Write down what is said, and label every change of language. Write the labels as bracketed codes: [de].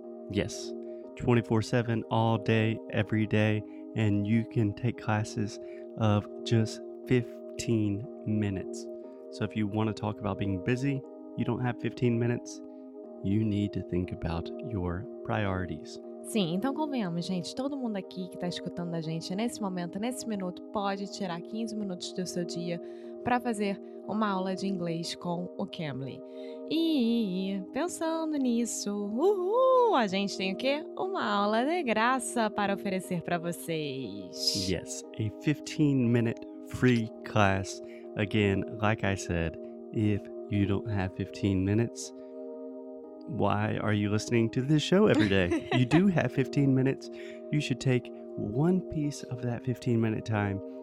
[en] Yes, 24/7, all day, every day. And you can take classes of just 15 minutes. So if you want to talk about being busy, you don't have 15 minutes. You need to think about your priorities. [pt] Sim, então convenhamos, gente. Todo mundo aqui que está escutando a gente nesse momento, nesse minuto, pode tirar 15 minutos do seu dia para fazer uma aula de inglês com o Cambly. E pensando nisso, a gente tem o quê? Uma aula de graça para oferecer para vocês. [en] Yes, a 15-minute free class. Again, like I said, if you don't have 15 minutes, why are you listening to this show every day? You do have 15 minutes. You should take one piece of that 15-minute time.